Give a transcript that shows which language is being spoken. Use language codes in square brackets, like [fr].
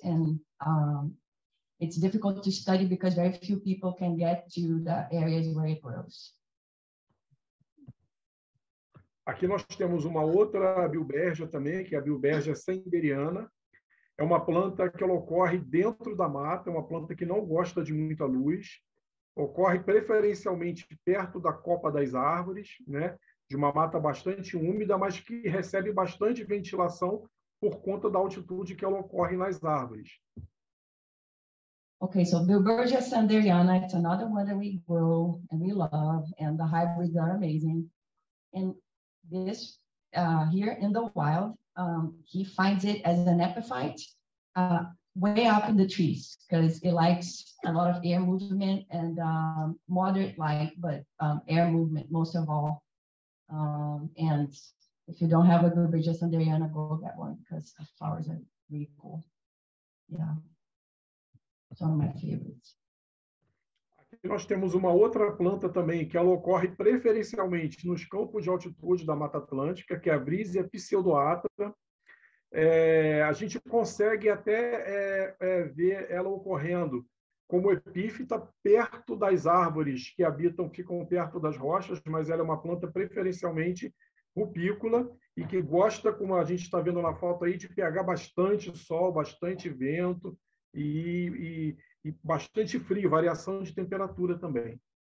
[en] And it's difficult to study because very few people can get to the areas where it grows. [pt] Aqui nós temos uma outra bilbergia também, que é a bilbergia senderiana. É uma planta que ela ocorre dentro da mata, é uma planta que não gosta de muita luz, ocorre preferencialmente perto da copa das árvores, né? De uma mata bastante úmida, mas que recebe bastante ventilação por conta da altitude que ela ocorre nas árvores. [en] Ok, so Bilbergia sanderiana, it's another one that we grow and we love, and the hybrids are amazing. And this here in the wild, he finds it as an epiphyte way up in the trees because it likes a lot of air movement and moderate light, but air movement most of all. And if you don't have a good Bilbergia sanderiana, go get one because the flowers are really cool. Yeah, it's one of my favorites. [pt] E nós temos uma outra planta também, que ela ocorre preferencialmente nos campos de altitude da Mata Atlântica, que é a Vrisia pseudoatra. A gente consegue até ver ela ocorrendo como epífita perto das árvores que habitam, ficam perto das rochas, mas ela é uma planta preferencialmente rupícola e que gosta, como a gente está vendo na foto aí, de pegar bastante sol, bastante vento e bastante frio, variação de temperatura também.